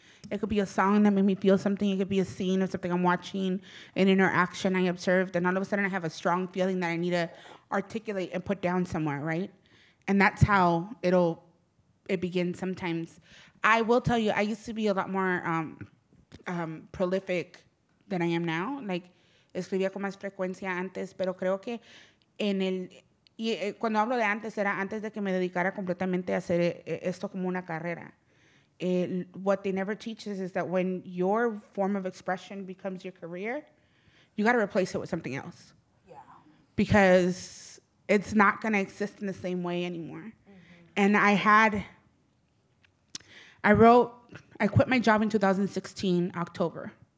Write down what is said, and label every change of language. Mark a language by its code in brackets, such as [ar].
[en] It could be a song that made me feel something. It could be a scene or something I'm watching, an interaction I observed, and all of a sudden I have a strong feeling that I need to articulate and put down somewhere, right? And that's how it begins sometimes. I will tell you, I used to be a lot more prolific than I am now. [es] Like, escribía con más frecuencia antes, pero creo que en el... Y cuando hablo de antes, era antes de que me dedicara completamente a hacer esto como una carrera. [en] What they never teach us is that when your form of expression becomes your career, you got to replace it with something else. Yeah. Because it's not going to exist in the same way anymore. Mm-hmm. And I quit my job in 2016, October.